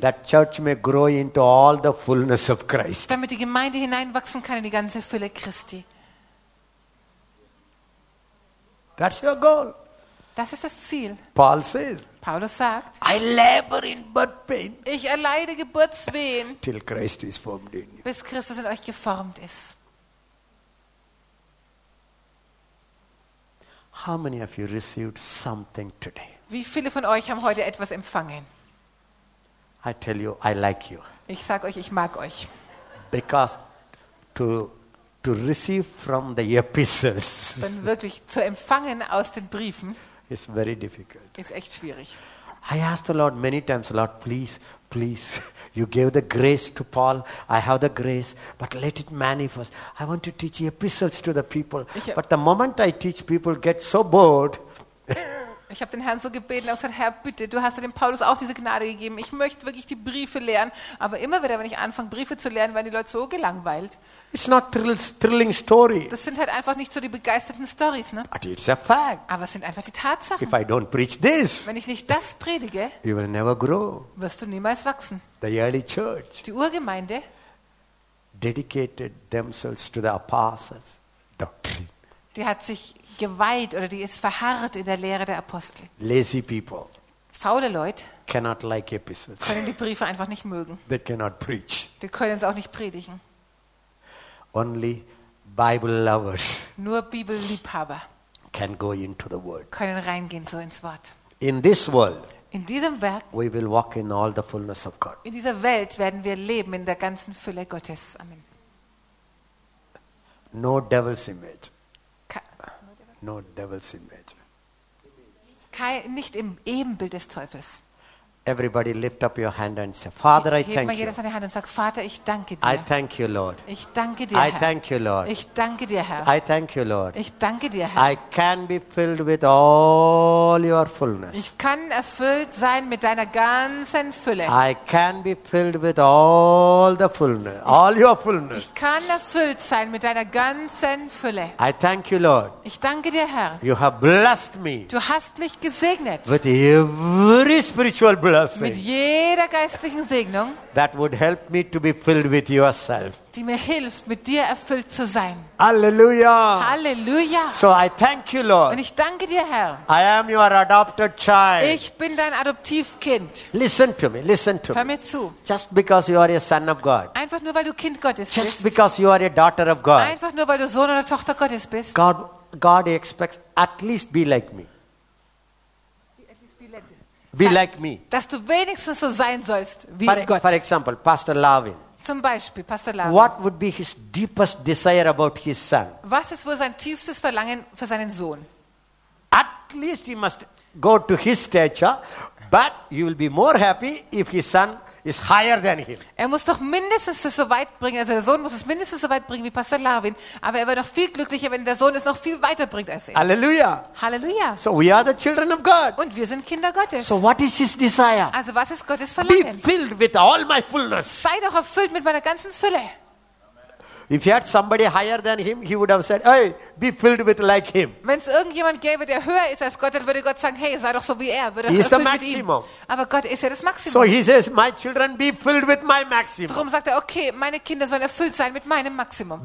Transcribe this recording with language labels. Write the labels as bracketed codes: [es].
[en] That church may grow into all the fullness of Christ. [de] Damit die Gemeinde hineinwachsen kann in die ganze Fülle Christi. [en] That's your goal. [de] Das ist das Ziel. [en] Paul says. [de] Paulus sagt. [en] I labor in birth pain. [de] Ich erleide Geburtswehen. [en] Till Christ is formed in you. [de] Bis Christus in euch geformt ist. [en] How many of you received something today? [de] Wie viele von euch haben heute etwas empfangen? [en] I tell you, I like you. [de] Ich sag euch, ich mag euch. [en] Because to receive from the epistles. [de] Denn wirklich zu empfangen aus den Briefen. [en] Is very difficult. [de] Ist echt schwierig. [en] I asked the Lord many times, Lord, please, please, you gave the grace to Paul. I have the grace, but let it manifest. I want to teach epistles to the people. But the moment I teach, people get so bored. [de] Ich habe den Herrn so gebeten, er hat gesagt, Herr, bitte, du hast dem Paulus auch diese Gnade gegeben. Ich möchte wirklich die Briefe lernen. Aber immer wieder, wenn ich anfange, Briefe zu lernen, werden die Leute so gelangweilt. [en] It's not thrilling story. [de] Das sind halt einfach nicht so die begeisterten Stories, ne? [en] But it's a fact. [de] Aber es sind einfach die Tatsachen. [en] If I don't preach this, [de] wenn ich nicht das predige, [en] you will never grow. [de] Wirst du niemals wachsen. [en] The early church, [de] die Urgemeinde, [en] dedicated themselves to the apostles' doctrine. [de] Die hat sich geweiht oder die ist verharrt in der Lehre der Apostel. [en] Lazy people. [de] Faule Leute. [en] Cannot like epistles. [de] Können die Briefe einfach nicht mögen. [en] They cannot preach. [de] Die können es auch nicht predigen. [en] Only Bible lovers. [de] Nur Bibelliebhaber. [en] Can go into the word. [de] Können reingehen so ins Wort. [en] In this world. [de] In diesem Werk. [en] We will walk in all the fullness of God. [de] In dieser Welt werden wir leben in der ganzen Fülle Gottes. [en] Amen. No devil's image. No devil's image. [de] Nicht im Ebenbild des Teufels. [en] Everybody lift up your hand and say, Father, I thank you. [de] Jeder seine Hand und sagt, Vater, ich danke dir. [en] I thank you, Lord. [de] Ich danke dir, Herr. [en] I thank you, Lord. [de] Ich danke dir, Herr. [en] I thank you, Lord. [de] Ich danke dir, Herr. [en] I can be filled with all your fullness. [de] Ich kann erfüllt sein mit deiner ganzen Fülle. [en] I can be filled with all the fullness, all your fullness. [de] Ich kann erfüllt sein mit deiner ganzen Fülle. [en] I thank you, Lord. [de] Ich danke dir, Herr. [en] You have blessed me. [de] Du hast mich gesegnet. [en] With every spiritual blessing. [de] Mit jeder geistlichen Segnung, [en] that would help me to be filled with yourself. [de] Die mir hilft, mit dir erfüllt zu sein. [en] Halleluja. [de] Halleluja. [en] So I thank you, Lord. [de] Und ich danke dir, Herr. [en] I am your adopted child. [de] Ich bin dein Adoptivkind. [en] Listen to me. Listen to me. [de] Hör mir zu. [en] Just because you are a son of God. [de] Einfach nur weil du Kind Gottes bist. [en] Just because you are a daughter of God. [de] Einfach nur weil du Sohn oder Tochter Gottes bist. [en] God expects at least be like me. Be like me. [de] Dass du wenigstens so sein sollst wie Gott. [en] For example, Pastor Lavin. [de] Zum Beispiel Pastor Lavin. [en] What would be his deepest desire about his son? [de] Was ist wohl sein tiefstes Verlangen für seinen Sohn? [en] At least he must go to his stature, But you will be more happy if his son is higher than him. [de] Er muss doch mindestens es so weit bringen, also der Sohn muss es mindestens so weit bringen wie Pastor Larwin, aber er wird noch viel glücklicher, wenn der Sohn es noch viel weiter bringt als er. [en] Halleluja. [de] Halleluja. [en] So we are the children of God. [de] Und wir sind Kinder Gottes. [en] So what is his desire? [de] Also was ist Gottes Verlangen? [en] Be filled with all my fullness. [de] Sei doch erfüllt mit meiner ganzen Fülle. [en] If he had somebody higher than him, he would have said, "Hey, be filled with like him." [de] Wenn es irgendjemand gäbe, der höher ist als Gott, dann würde Gott sagen, "Hey, sei doch so wie er." Würde [en] he is the maximum. [de] Aber Gott ist ja das Maximum. [en] So he says, "My children, be filled with my maximum." [de] Darum sagt er, okay, meine Kinder sollen erfüllt sein mit meinem Maximum.